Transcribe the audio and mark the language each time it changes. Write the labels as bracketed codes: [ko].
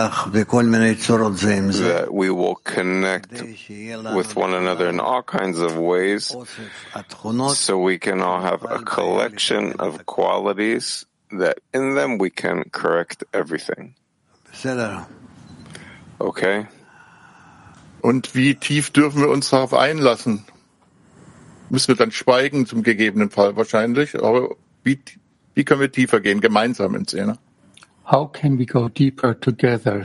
[en] That we will connect with one another in all kinds of ways so we can all have a collection of qualities that in them we can correct everything. Okay. [de] Und wie tief dürfen wir uns darauf einlassen? Müssen wir dann schweigen zum gegebenen Fall wahrscheinlich, aber wie können wir tiefer gehen gemeinsam ins Inne? [en] How can we go deeper together?